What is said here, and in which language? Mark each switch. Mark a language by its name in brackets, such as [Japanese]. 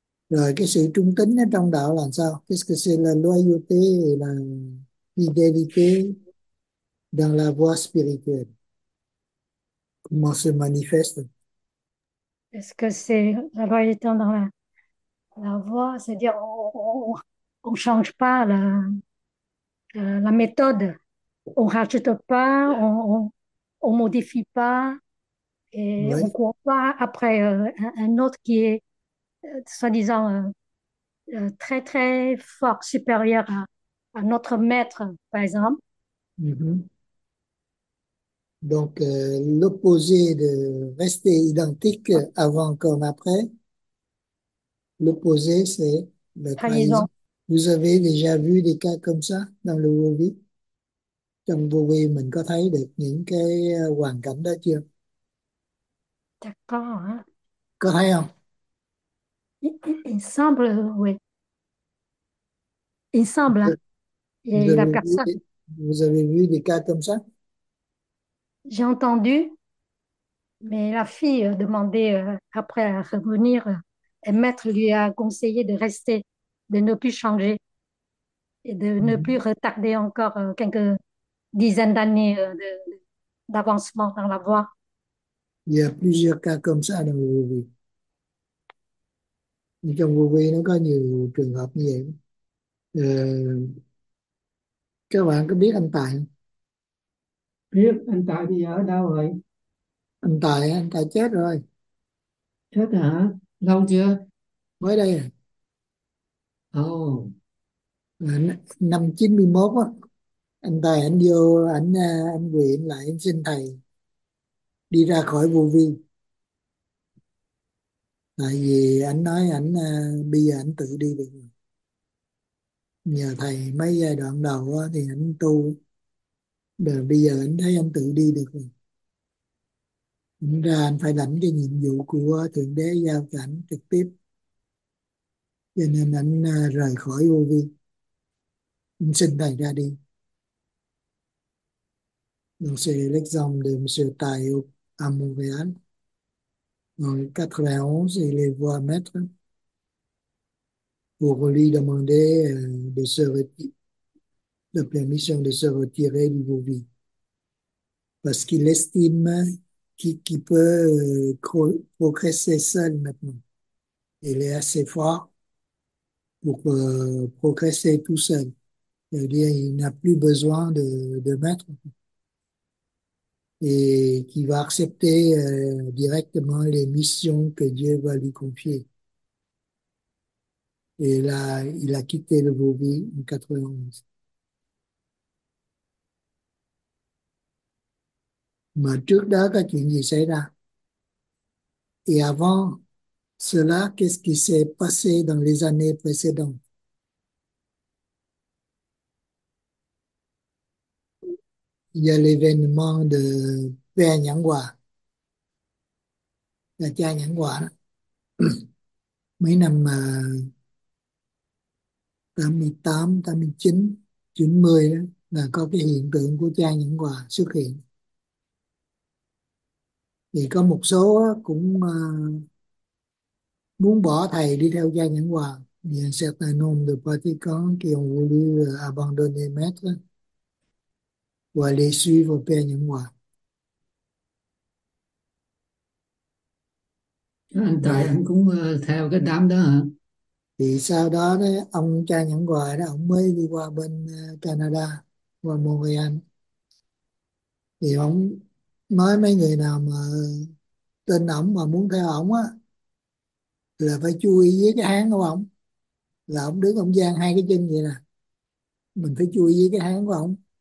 [Vietnamese] Rồi cái sự trung tín ở trong đạo là sao? [French] Qu'est-ce que c'est la loyauté et la fidélité dans la voie spirituelle? Comment se manifeste? Est-ce que c'est la loyauté dans la, la voie? C'est-à-dire on ne change pas la, la méthode. On ne rajoute pas, on ne modifie pas et oui. On ne court pas après un autre qui est soi-disant très très fort, supérieur à notre maître, par exemple. Donc, l'opposé de rester identique avant comme après, l'opposé, c'est la trahison. Vous avez déjà vu des cas comme ça dans le Covid? [Vietnamese] Trong Covid, mình có thấy được những cái hoàn cảnh đó chưa? [French] D'accord. [Vietnamese] Có thấy không? [French] Il semble, oui. Il semble, hein. Et Vous la avez personne. Vous avez vu des cas comme ça? J'ai entendu, mais la fille demandait après à revenir, et maître lui a conseillé de rester, de ne plus changer et de ne plus retarder encore quelques dizaines d'années d'avancement dans la voie. Il y a plusieurs cas comme ça dans vos vies. Mais [Vietnamese] trong [French] vos vies, [Vietnamese] nó có nhiều trường hợp như vậy. Các bạn có biết anh Tài không? Biết anh Tài bây giờ ở đâu rồi? Anh Tài chết rồi. Chết hả? Lâu chưa? Mới đây à? Oh. Năm 91 á. Anh Tài anh vô, anh quyện lại, anh xin thầy đi ra khỏi vô vi. Tại vì anh nói anh bây giờ anh tự đi được. Nhờ thầy mấy giai đoạn đầu thì anh tu, rồi bây giờ anh thấy anh tự đi được rồi. Anh ra anh phải lãnh cái nhiệm vụ của Thượng Đế giao cho anh trực tiếp, cho nên anh rời khỏi vô vi, anh xin thầy ra đi. [French] Donc c'est l'exemple de Monsieur Tài à Montréal. En 91, il est voie maître pour lui demander de se retirer, la permission de se retirer du Vauvie. Parce qu'il estime qu'il peut progresser seul maintenant. Il est assez fort pour progresser tout seul. C'est-à-dire qu'il n'a plus besoin de maître. Et qui va accepter directement les missions que Dieu va lui confier. Et là, il a quitté le Vauvie en 91. [Vietnamese] Mà trước đó có chuyện gì xảy ra? [French] Et avant cela, qu'est-ce qui s'est passé dans les années précédentes? Il y a l'événement de Père Nhãn Hòa, [Vietnamese] là cha Nhãn Hòa đó. Mấy năm 88, 89, 90 đó, là có cái hiện tượng của cha Nhãn Hòa xuất hiện. Thì có một số cũng muốn bỏ thầy đi theo cha Nhãn Hòa. Vì [French] certains nombres de pratiquants qui ont voulu abandonner maître ou aller suivre Père Nhãn Hòa. [Vietnamese] Anh Tài anh cũng theo cái đám đó hả? Thì sau đó đó ông cha nhận hoài đó, ông mới đi qua bên Canada, qua Montreal. Thì ông nói mấy người nào mà tên ổng mà muốn theo ổng á là phải chú ý với cái háng của ổng, là ổng đứng ổng dang hai cái chân vậy nè, mình phải chú ý với cái háng của ổng.